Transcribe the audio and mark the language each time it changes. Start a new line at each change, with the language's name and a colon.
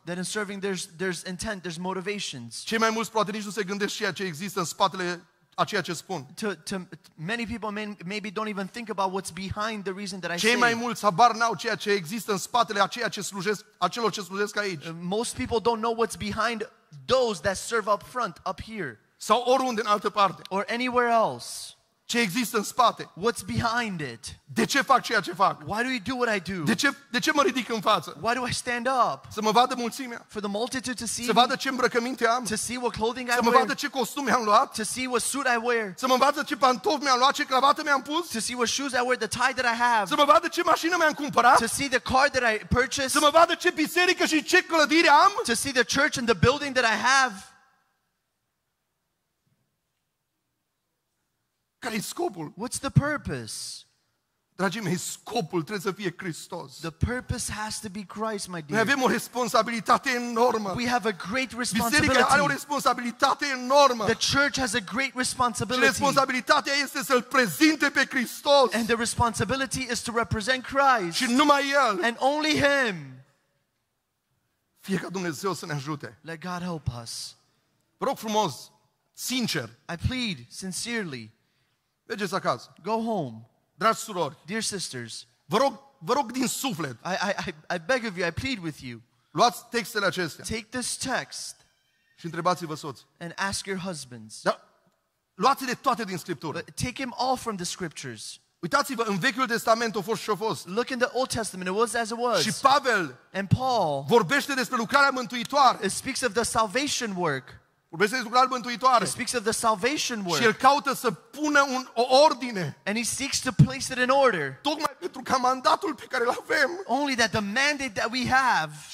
English: That in serving there's intent, there's motivations.
Romanian: Cei mai mulți poate nici nu se gândesc ceea ce există în spatele a ceea ce spun.
English: To many people maybe don't even think about what's behind the reason that I say.
Romanian: Cei mai mulți habar n-au ceea ce există în spatele a ceea ce slujesc, a celor ce slujesc aici.
English: Most people don't know what's behind those that serve up front, up here.
Romanian: Sau oriunde în altă parte.
English: Or anywhere else.
Romanian: Ce există în spate.
English: What's behind it.
Romanian: De ce fac ceea ce fac.
English: Why do you do what I do?
Romanian: De ce mă ridic în față.
English: Why do I stand up.
Romanian: Să mă vadă mulțimea.
English: For the multitude to see.
Romanian: Să vadă ce îmbrăcăminte am.
English: To see what clothing I wear.
Romanian: Să mă vadă ce costum mi-am luat.
English: To see what suit I wear.
Romanian: Să mă vadă ce pantofi mi-am luat, ce cravată mi-am pus.
English: To see what shoes I wear, the tie that I have.
Romanian: Să mă vadă ce mașină mi-am cumpărat.
English: To see the car that I purchased.
Romanian: Să mă vadă ce biserică și ce clădire am.
English: To see the church and the building that I have.
Romanian: Care-i scopul?
English: What's the purpose?
Romanian: Dragii mei, scopul trebuie să fie Hristos.
English: The purpose has to be Christ, my dear.
Romanian: Noi avem o responsabilitate enormă.
English: We have a great responsibility.
Romanian: Biserica are o responsabilitate enormă.
English: The church has a great responsibility.
Romanian: Și responsabilitatea este să-L prezinte pe Hristos.
English: And the responsibility is to represent Christ.
Romanian: Și numai El.
English: And only Him.
Romanian: Fie ca Dumnezeu să ne ajute.
English: Let God help us.
Romanian: Vă rog frumos, sincer.
English: I plead sincerely.
Romanian: Mergeți acasă.
English: Go home.
Romanian: Dragi surori,
English: dear sisters,
Romanian: vă rog din suflet.
English: I beg of you, I plead with you.
Romanian: Luați textele acestea.
English: Take this text.
Romanian: Și întrebați-vă soți.
English: And ask your husbands.
Romanian: Da, luați-le toate din Scriptură.
English: But take them all from the Scriptures.
Romanian: Uitați-vă în Vechiul Testament, a fost și a fost.
English: Look in the Old Testament, it was as it was.
Romanian: Și Pavel
English: and Paul
Romanian: vorbește despre lucrarea mântuitoare.
English: It speaks of the salvation work.
Romanian: Vorbește despre lucrarea mântuitoare.
English: It speaks of the salvation work.
Romanian: Și el caută să pună o ordine.
English: And he seeks to place it in order.
Romanian: Tocmai pentru că mandatul pe care îl avem.
English: Only that the mandate that we have.